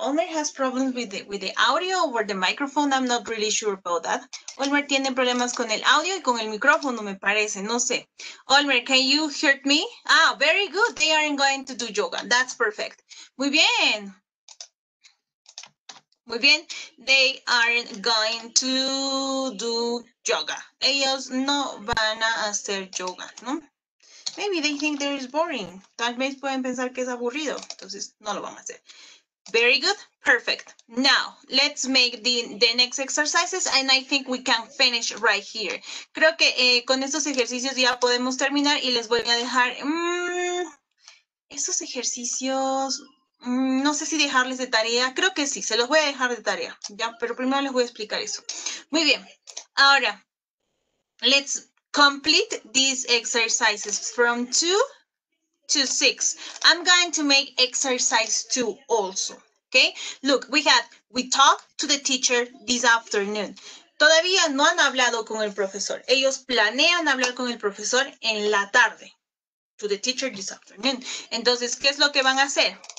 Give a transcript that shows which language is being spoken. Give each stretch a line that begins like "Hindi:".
English: Omer has problems with the audio over the microphone. I'm not really sure about that.
Spanish: Omer tiene problemas con el audio y con el micrófono, me parece. No sé.
English: Omer, can you hear me? Ah, very good. They aren't going to do yoga. That's perfect.
Spanish: Muy bien. Muy bien.
English: They aren't going to do yoga.
Spanish: Ellos no van a hacer yoga, ¿no?
English: Maybe they think that it's boring.
Spanish: Tal vez pueden pensar que es aburrido. Entonces, no lo van a hacer.
English: Very good. Perfect. Now, let's make the next exercises, and I think we can finish right here.
Spanish: Creo que con estos ejercicios ya podemos terminar y les voy a dejar estos ejercicios. No sé si dejarles de tarea. Creo que sí, se los voy a dejar de tarea, ¿ya? Pero primero les voy a explicar eso. Muy bien. Ahora,
English: let's complete these exercises from 2 to 6. I'm going to make exercise 2 also. Okay? Look, we talked to the teacher this afternoon.
Spanish: Todavía no han hablado con el profesor. Ellos planean hablar con el profesor en la tarde.
English: To the teacher this afternoon.
Spanish: Entonces, ¿qué es lo que van a hacer?